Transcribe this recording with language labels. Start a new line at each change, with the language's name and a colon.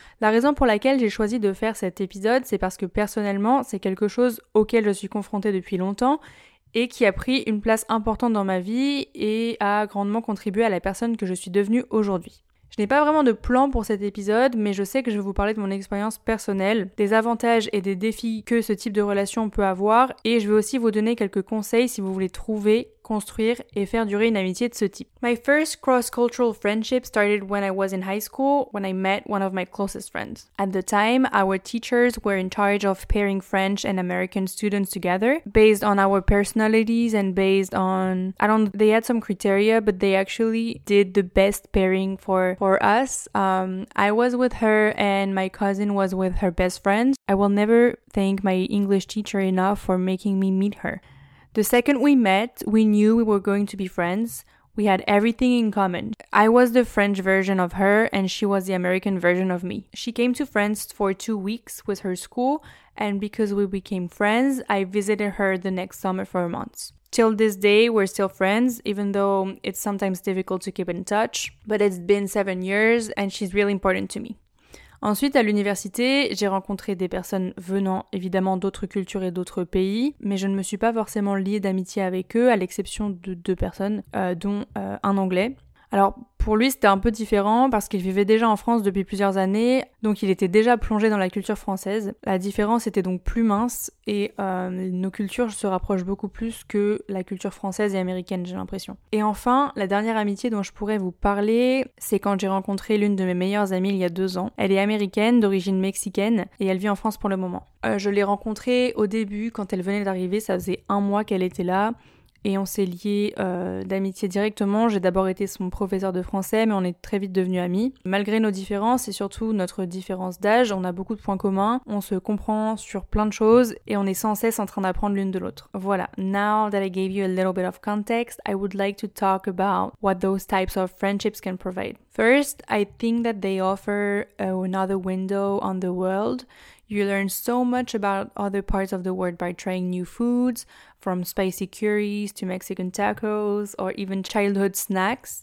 French: La raison pour laquelle j'ai choisi de faire cet épisode, c'est parce que personnellement, c'est quelque chose auquel je suis confrontée depuis longtemps et qui a pris une place importante dans ma vie et a grandement contribué à la personne que je suis devenue aujourd'hui. Je n'ai pas vraiment de plan pour cet épisode, mais je sais que je vais vous parler de mon expérience personnelle, des avantages et des défis que ce type de relation peut avoir, et je vais aussi vous donner quelques conseils si vous voulez trouver, construire et faire durer une amitié de ce type.
English: My first cross-cultural friendship started when I was in high school, when I met one of my closest friends. At the time, our teachers were in charge of pairing French and American students together, based on our personalities and based on... They had some criteria, but they actually did the best pairing for us. I was with her and my cousin was with her best friends. I will never thank my English teacher enough for making me meet her. The second we met, we knew we were going to be friends. We had everything in common. I was the French version of her and she was the American version of me. She came to France for 2 weeks with her school and because we became friends, I visited her the next summer for months. Till this day, we're still friends, even though it's sometimes difficult to keep in touch. But it's been 7 years and she's really important to me.
French: Ensuite, à l'université, j'ai rencontré des personnes venant évidemment d'autres cultures et d'autres pays, mais je ne me suis pas forcément liée d'amitié avec eux, à l'exception de deux personnes, dont un anglais. Alors, pour lui, c'était un peu différent parce qu'il vivait déjà en France depuis plusieurs années, donc il était déjà plongé dans la culture française. La différence était donc plus mince et nos cultures se rapprochent beaucoup plus que la culture française et américaine, j'ai l'impression. Et enfin, la dernière amitié dont je pourrais vous parler, c'est quand j'ai rencontré l'une de mes meilleures amies il y a 2 ans. Elle est américaine, d'origine mexicaine, et elle vit en France pour le moment. Je l'ai rencontrée au début, quand elle venait d'arriver, ça faisait 1 mois qu'elle était là. Et on s'est liés d'amitié directement. J'ai d'abord été son professeur de français, mais on est très vite devenus amis. Malgré nos différences et surtout notre différence d'âge, on a beaucoup de points communs. On se comprend sur plein de choses et on est sans cesse en train d'apprendre l'une de l'autre. Voilà.
English: Now that I gave you a little bit of context, I would like to talk about what those types of friendships can provide. First, I think that they offer another window on the world. You learn so much about other parts of the world by trying new foods, from spicy curries to Mexican tacos or even childhood snacks.